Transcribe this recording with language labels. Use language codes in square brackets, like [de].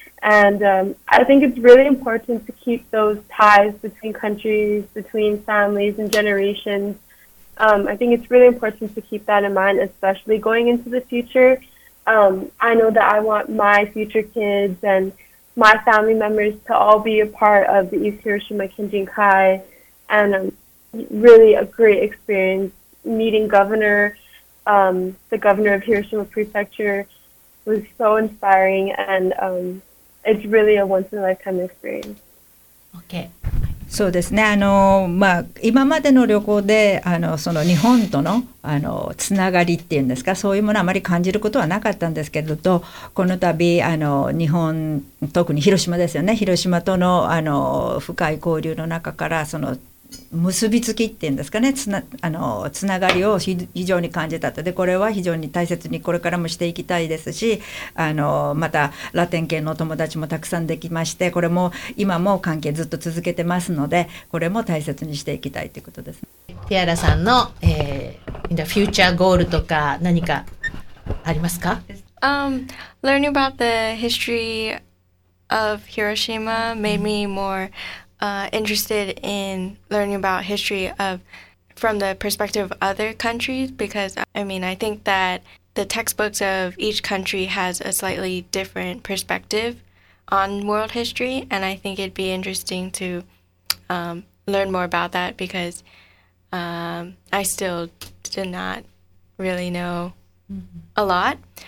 [en] And、I think it's really important to keep those ties between countries, between families and generations.、I think it's really important to keep that in mind, especially going into the future.、I know that I want my future kids and my family members to all be a part of the East Hiroshima Kinjinkai. And、really a great experience meeting governor,、the governor of Hiroshima Prefecture was so inspiring and、It's really a once-in-a-lifetime experience. Okay. [ja] そうですね。まあ、今までの旅行で、その日本との、つながりっていうんですか、そういうものはあまり感じることはなかったんですけれど、この度、日本、特に広島ですよね。広島との、深い交流の中から、その、結びつきっていうんですかね、つながりを非常に感じたと。でこれは非常に大切にこれからもしていきたいですし、またラテン系の友達もたくさんできまして、これも今も関係ずっと続けてますので、これも大切にしていきたいということです。ティアラさんの、 [en] in the future goal [ja] とか何かありますか。 [en] Learning about the history of Hiroshima made me moreinterested in learning about history of from the perspective of other countries, because I mean I think that the textbooks of each country has a slightly different perspective on world history, and I think it'd be interesting to learn more about that, because I still did not really know a lot.